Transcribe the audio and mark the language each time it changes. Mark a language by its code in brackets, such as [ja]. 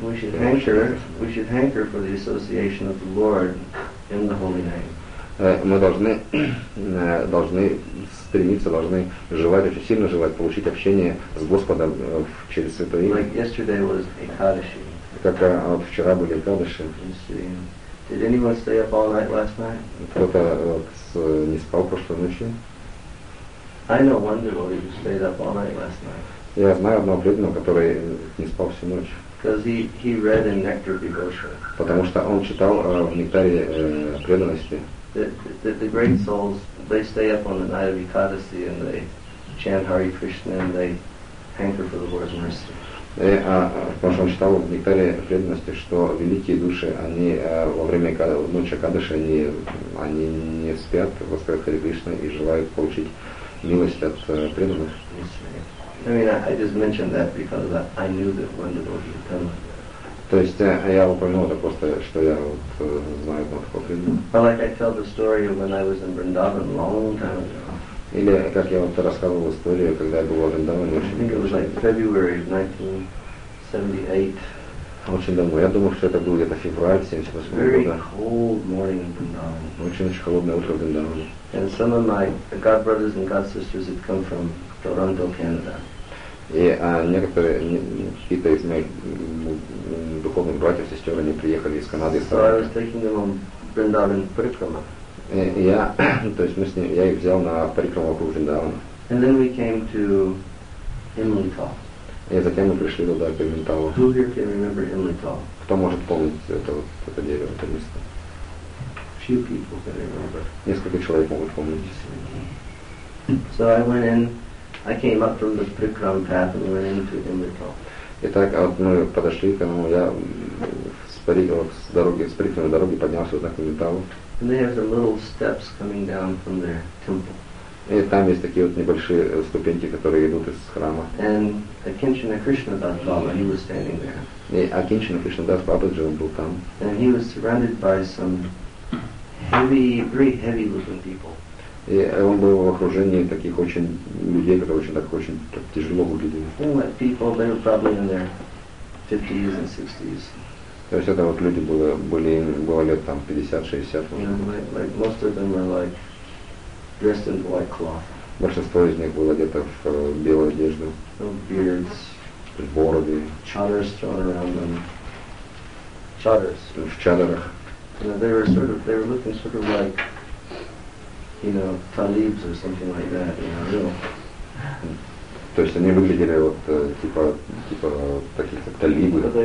[en] We should hanker for the association of the Lord in the holy name. [ru] Мы должны стремиться, должны желать, очень сильно желать получить общение с Господом через святое имя. [en] Like yesterday was Ekadashi. [ru] Как вчера были Экадыши. [en] Did anyone stay up all night last night? [ru] Кто-то не спал прошлой ночью? [en] I know one devotee who stayed up all night last night. [ru] Я знаю одного преданного, который не спал всю ночь. [en] Because he read in Nectar of Devotion. [ru] Потому что он читал в Нектаре преданности. [en] That the great souls, they stay up on the night of Ekadasi and they chant Hare Krishna and they hanker for the Lord's mercy. [ru] Потому что он читал в Нектаре преданности, что великие души, они во время ночи Экадаши, они не спят, воспевают Харе Кришна и желают получить милость от преданных. [en] I mean, I just mentioned that because I knew that one devotee would come. [ru] То есть я упомянул это просто, что я вот знаю вот такого преданного. [en] But like I tell the story of when I was in Vrindavan long time ago. [ru] Или как я вот рассказывал историю, когда я был в Вриндаване очень давно. [en] It was like February of 1978. [ru] Очень давно. Я думаю, что это был где-то февраль 78 года. [en] Very cold morning in Vrindavan. [ru] Очень холодное утро в Вриндаване. [en] And some of my God brothers and God sisters had come from Toronto, Canada. [ru] И какие-то из моих духовных братьев, сестер, они приехали из Канады. [en] So I was taking them on Vrindavan Parikrama. [ru] Я их взял на Парикраму вокруг Вриндавана. [en] And then we came to Himalital. [ru] И затем мы пришли туда, к Himalitalу. [en] Who here can remember Himalital? [ru] Кто может помнить это дерево, это место? [en] Few people can remember. [ru] Несколько человек могут помнить. [en] So I went in, I came up from the Parikrama path and went into Himalital. [ru] Итак, вот мы подошли к нему, я с Парикрама дороги поднялся вот на Himalitalu. [en] And they have some little steps coming down from their temple. [ru] И там есть такие вот небольшие ступеньки, которые идут из храма. [en] And Akinchana Krishnadas Baba, he was standing there. [ru] И Акинчина Кришнадас Бабаджи, он был там. [en] And he was surrounded by some very heavy looking people. [ru] И он был в окружении таких очень людей, которые очень тяжело выглядели. [en] Old people, they were probably in their 50s and 60s. [ru] То есть это вот люди было лет там 50-60. [en] Like most of them were like dressed in white cloth. [ru] Большинство из них было одето в белую одежду. [en] No beards. [ru] Бороды. [en] Chadars thrown around them. Chadars. [ru] В чадрах. [en] You know, they were looking sort of like, you know, talibs or something like that, you know, real. [ru] То есть они выглядели вот типа таких как талибы.